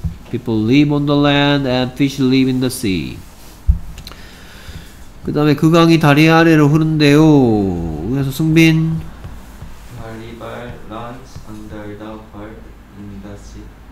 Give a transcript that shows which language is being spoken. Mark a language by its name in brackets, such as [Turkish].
[English] People live on the land and fish live in the sea. [Korean] 그 다음에 그 강이 다리 아래로 흐른대요. 그래서 승빈 [English] The river runs under the bird in the sea.